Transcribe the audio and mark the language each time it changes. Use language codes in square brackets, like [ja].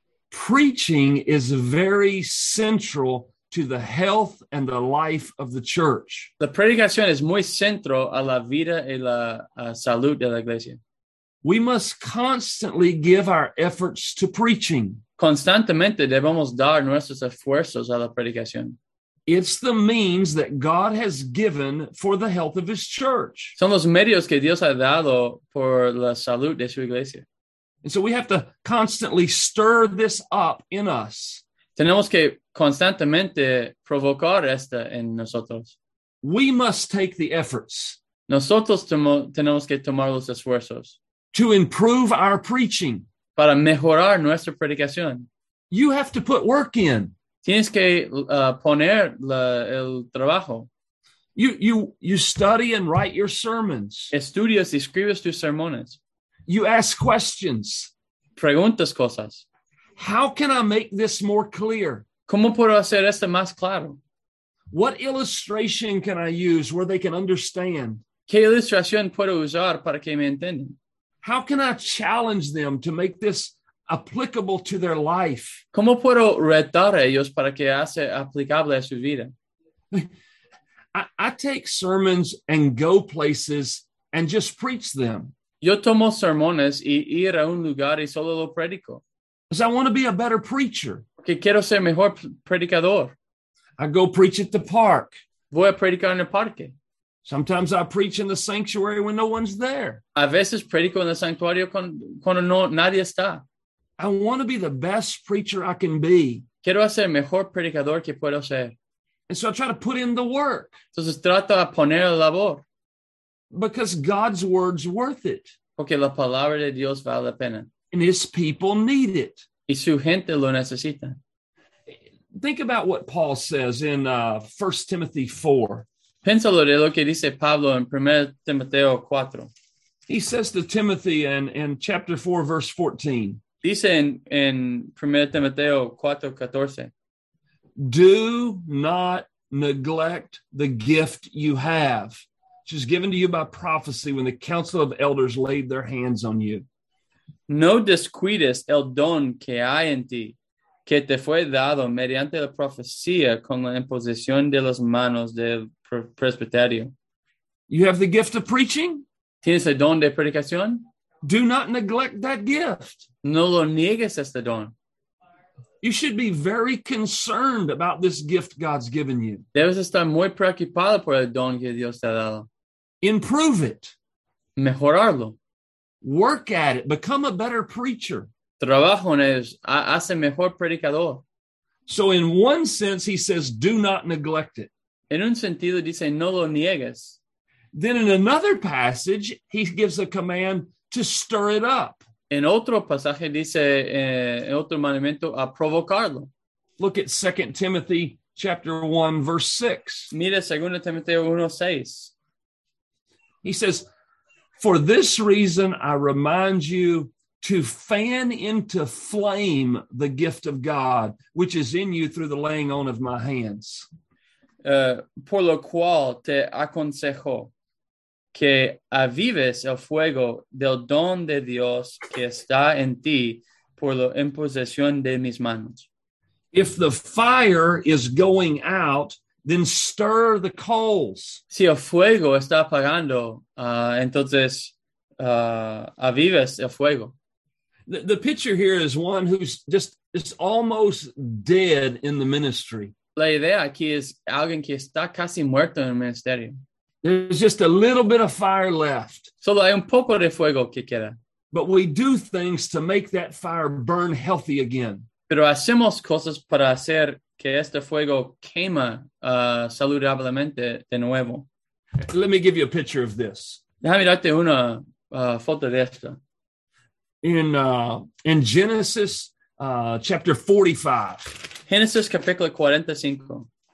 [en] Preaching is very central to the health and the life of the church. [es] La predicación es muy central a la vida y la salud de la iglesia. [en] We must constantly give our efforts to preaching. [es] Constantemente debemos dar nuestros esfuerzos a la predicación. [en] It's the means that God has given for the health of his church. [es] Son los medios que Dios ha dado por la salud de su iglesia. [en] And so we have to constantly stir this up in us. [es] Tenemos que constantemente provocar esta en nosotros. [en] We must take the efforts. [es] Nosotros tenemos que tomar los esfuerzos. [en] To improve our preaching. [es] Para mejorar nuestra predicación. [en] You have to put work in. [es] Tienes que poner el trabajo. [en] You study and write your sermons. [es] Estudias y escribes tus sermones. [en] You ask questions. [es] Preguntas cosas. [en] How can I make this more clear? [es] ¿Cómo puedo hacer esto más claro? [en] What illustration can I use where they can understand? [es] ¿Qué ilustración puedo usar para que me entiendan? [en] How can I challenge them to make this applicable to their life? [es] ¿Cómo puedo retar a ellos para que hace aplicable a su vida? [en] I take sermons and go places and just preach them. [es] Yo tomo sermones y ir a un lugar y solo lo predico. [en] Because I want to be a better preacher. [es] Porque quiero ser mejor predicador. [en] I go preach at the park. [es] Voy a predicar en el parque. [en] Sometimes I preach in the sanctuary when no one's there. [es] A veces predico en el santuario cuando no, nadie está. [en] I want to be the best preacher I can be. [es] Quiero ser mejor predicador que puedo ser. [en] And so I try to put in the work. [es] Entonces trato a poner la labor. [en] Because God's word's worth it. [es] Porque la palabra de Dios vale la pena. [en] And his people need it. [es] Y su gente lo necesita. [en] Think about what Paul says in 1 Timothy 4. [es] Piénsalo de lo que dice Pablo en 1 Timoteo 4. [en] He says to Timothy in chapter 4, verse 14. [es] Dice en 1 Timoteo 4, 14. [en] Do not neglect the gift you have, which is given to you by prophecy when the council of elders laid their hands on you. [es] No descuides el don que hay en ti, que te fue dado mediante la profecía con la imposición de las manos del presbiterio. [en] You have the gift of preaching? [es] ¿Tienes el don de predicación? [en] Do not neglect that gift. [es] No lo niegues este don. [en] You should be very concerned about this gift God's given you. [es] Debes estar muy preocupado por el don que Dios te ha dado. [en] Improve it. [es] Mejorarlo. [en] Work at it. Become a better preacher. [es] Trabajo en ellos. Hace mejor predicador. [en] So in one sense, he says, do not neglect it. [es] En un sentido dice, no lo niegues. [en] Then in another passage, he gives a command to stir it up. [es] En otro pasaje dice, en otro mandamiento, a provocarlo. [en] Look at 2 Timothy chapter 1, verse 6. [es] Mira 2 Timoteo 1, 6. [en] He says, for this reason I remind you to fan into flame the gift of God, which is in you through the laying on of my hands. [es] Por lo cual te aconsejo que avives el fuego del don de Dios que está en ti por la imposición de mis manos. [en] If the fire is going out, then stir the coals. [es] Si el fuego está apagando, entonces avives el fuego. [en] The picture here is one who's just is almost dead in the ministry. [es] La idea aquí es alguien que está casi muerto en el ministerio. [en] There's just a little bit of fire left. [es] Solo hay un poco de fuego que queda. [en] But we do things to make that fire burn healthy again. [es] Pero hacemos cosas para hacer que este fuego quema saludablemente de nuevo. [en] Let me give you a picture of this. [es] Déjame darte una falta de esto. [en] In Genesis chapter 45. [es] Genesis capítulo 45.